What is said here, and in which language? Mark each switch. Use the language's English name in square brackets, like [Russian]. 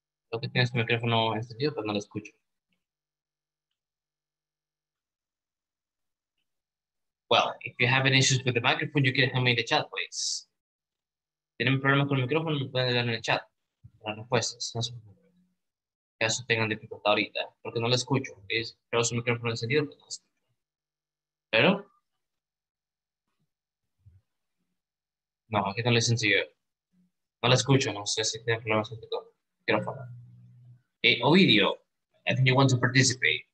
[Spanish] Creo que tienes el micrófono encendido, pero no lo escucho. [English] Well, if you have any issues with the microphone, you can help me in the chat, please. [Spanish] Tienen problemas con el micrófono, me pueden dar en el chat. Las respuestas, no se preocupen. Caso tengan dificultad ahorita, porque no lo escucho. Creo su micrófono encendido, pero no lo escucho. Pero. No, aquí no lo dicen yo. No lo escucho, no sé si tienen problemas con el micrófono. [English] Hey, Ovidio, I think you want to participate.